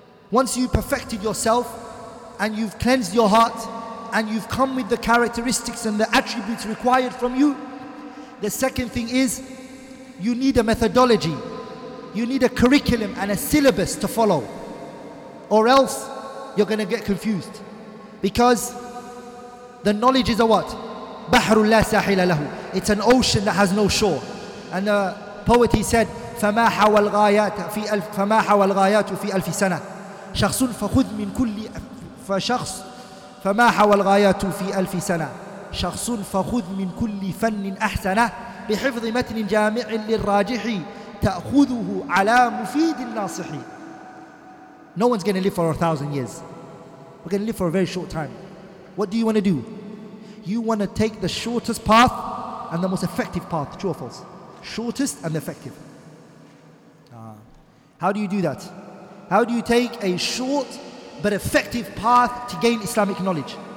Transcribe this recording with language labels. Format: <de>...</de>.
<en>Once you've perfected yourself and you've cleansed your heart and you've come with the characteristics and the attributes required from you, the second thing is you need a methodology. You need a curriculum and a syllabus to follow, or else you're going to get confused, because the knowledge is a what?</en> <ar>بحر لا ساحل له.</ar> <en>It's an ocean that has no shore. And the poet, he said,</en> <ar>فما حوى الغايات في ألف فما حوى الغايات في ألف سنة شخص فخذ من كل فشخص فما حوى الغايات في ألف سنة شخص فخذ من كل فن أحسن بحفظ متن جامع للراجح تأخذه على مفيد الناصح.</ar> <en>No one's going to live for 1,000 years. We're going to live for a very short time. What do you want to do? You want to take the shortest path and the most effective path, true or false? Shortest and effective. How do you do that? How do you take a short but effective path to gain Islamic knowledge?</en>